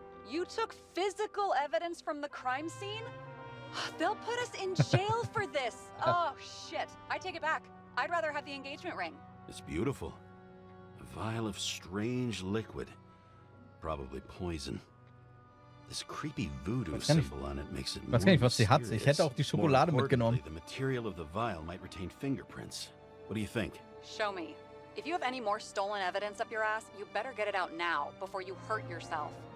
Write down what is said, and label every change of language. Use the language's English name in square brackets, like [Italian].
[English] You took physical evidence from the crime scene? They'll put us in jail for this. Oh, shit. I take it back. I'd rather have the engagement ring. It's beautiful. A vial of strange liquid. Probably poison. This creepy voodoo symbol on it makes it more [German] Ich weiß nicht, was sie hat. Ich hätte auch die Schokolade mitgenommen. [English] The material of the vial might retain fingerprints. What do you think? Show me. If you have any more stolen evidence up your ass, you better get it out now, before you hurt yourself.